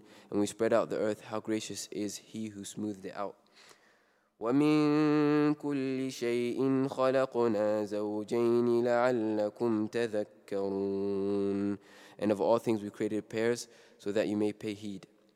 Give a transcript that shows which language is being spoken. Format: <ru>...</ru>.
<en>And we spread out the earth, how gracious is he who smoothed it out.</en> <ar>ومن كل شيء خلقنا زوجين لعلكم تذكرون.</ar> <en>And of all things we created pairs so that you may pay heed.</en>